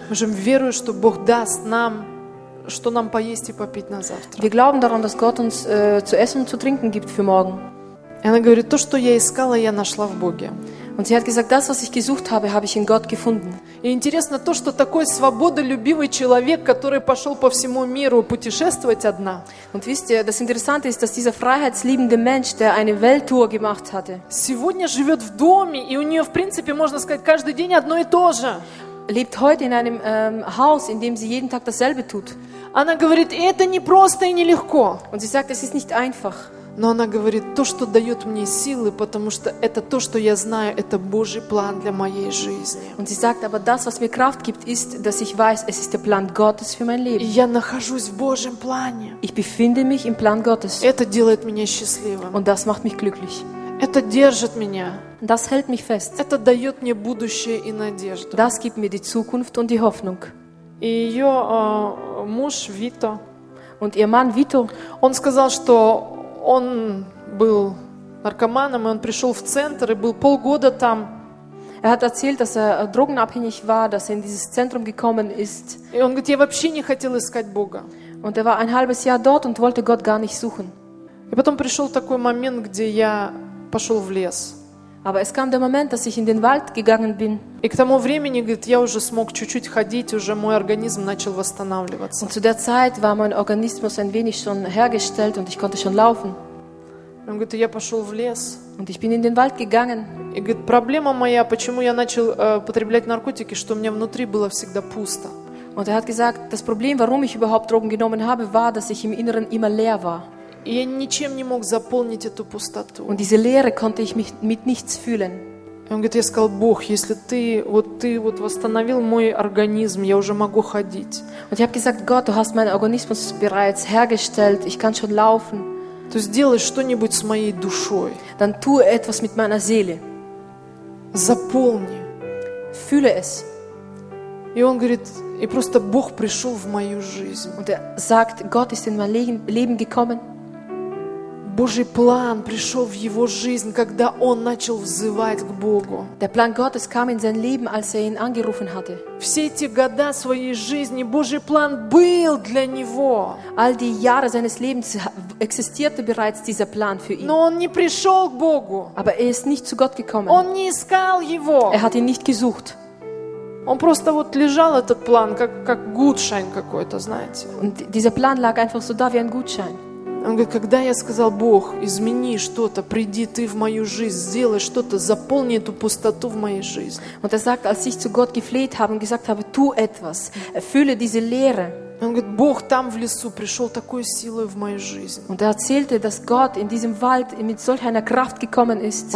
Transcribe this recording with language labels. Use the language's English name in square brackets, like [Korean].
[Russian] Мы живем верою, что Бог даст нам, что нам поесть и попить на завтра. [German] Wir glauben daran, dass Gott uns zu essen und zu trinken gibt für morgen. [Russian] И она говорит: "То, что я искала, я нашла в Боге." [German] Und sie hat gesagt, das, was ich gesucht habe, habe ich in Gott gefunden. [Russian] И интересно то, что такой свободолюбивый человек, который пошел по всему миру путешествовать одна. [German] Und wisst ihr, das Interessante ist, dass dieser freiheitsliebende Mensch, der eine Welttour gemacht hatte, [Russian] сегодня живет в доме, и у нее, в принципе, можно сказать, каждый день одно и то же. [German] Lebt heute in einem Haus, in dem sie jeden Tag dasselbe tut. [Russian] Она говорит: "Это не просто и не легко." [German] Und sie sagt, es ist nicht einfach. [Russian] Но она говорит, то, что дает мне силы, потому что это то, что я знаю, это Божий план для моей жизни. [German] Und sie sagt, aber das, was mir Kraft gibt, ist, dass ich weiß, es ist der Plan Gottes für mein Leben. [Russian] И я нахожусь в Божьем плане. [German] Ich befinde mich im Plan Gottes. [Russian] Это делает меня счастливым. [German] Und das macht mich glücklich. [Russian] Это держит меня. [German] Das hält mich fest. [Russian] Это дает мне будущее и надежду. [German] Das gibt mir die Zukunft und die Hoffnung. [Russian] И ее муж Вито. [German] Und ihr Mann Vito. [Russian] Он сказал, что он был наркоманом, и он пришел в центр и был полгода там. [German] Er hat erzählt, dass er drogenabhängig war, dass er in dieses Zentrum gekommen ist. [Russian] И он говорит, я вообще не хотел искать Бога. [German] Und er war ein halbes Jahr dort und wollte Gott gar nicht suchen. [Russian] И потом пришел такой момент, где я пошел в лес. [German] Aber es kam der Moment, dass ich in den Wald gegangen bin. [Russian] И к тому времени, говорит, я уже смог чуть-чуть ходить, уже мой организм начал восстанавливаться. [German] Und zu der Zeit war mein Organismus ein wenig schon hergestellt und ich konnte schon laufen. [Russian] Он говорит, я пошел в лес. [German] Und ich bin in den Wald gegangen. [Russian] И говорит, проблема моя, почему я начал потреблять наркотики, что у меня внутри было всегда пусто. [German] Und er hat gesagt, das Problem, warum ich überhaupt Drogen genommen habe, war, dass ich im Inneren immer leer war. [Russian] И я ничем не мог заполнить эту пустоту. [German] Und diese Leere konnte ich mich mit nichts füllen. [Russian] Он говорит, я сказал, Бог, если ты вот восстановил мой организм, я уже могу ходить. [German] Und ich habe gesagt, Gott, du hast meinen Organismus bereits hergestellt, ich kann schon laufen. [Russian] То сделай что-нибудь с моей душой. [German] Dann tu etwas mit meiner Seele. [Russian] Заполни. [German] Fülle es. [Russian] И он говорит, и просто Бог пришел в мою жизнь. [German] Und er sagt, Gott ist in mein Leben gekommen. [Russian] Божий план пришел в его жизнь, когда он начал взывать к Богу. [German] Der Plan Gottes kam in sein Leben, als er ihn angerufen hatte. [Russian] Все эти года своей жизни Божий план был для него. [German] All die Jahre seines Lebens existierte bereits dieser Plan für ihn. [Russian] Но он не пришел к Богу. [German] Aber er ist nicht zu Gott gekommen. [Russian] Он не искал его. [German] Er hat ihn nicht gesucht. [Russian] Он просто вот лежал этот план, как Gutschein какой-то, знаете. [German] Und dieser Plan lag einfach so da wie ein Gutschein. [Russian] Он говорит, когда я сказал, Бог, измени что-то, приди ты в мою жизнь, сделай что-то, заполни эту пустоту в моей жизни. [German] Und er sagt, als ich zu Gott gefleht habe und gesagt habe, tu etwas, erfülle diese Leere. [Russian] Он говорит, Бог там в лесу пришел такой силой в мою жизнь. [German] Und er erzählte, dass Gott in diesem Wald mit solch einer Kraft gekommen ist.